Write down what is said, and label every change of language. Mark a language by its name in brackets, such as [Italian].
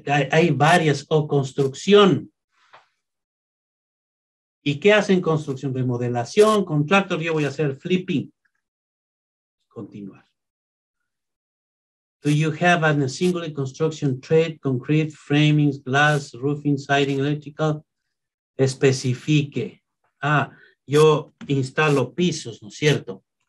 [Spanish] Hay varias, o construcción. ¿Y qué hacen construcción? Remodelación, contractor, yo voy a hacer flipping. Continuar. [English] Do you have a single construction trade, concrete, framings, glass, roofing, siding, electrical? [Spanish] Especifique. Ah, yo instalo pisos, ¿no es cierto?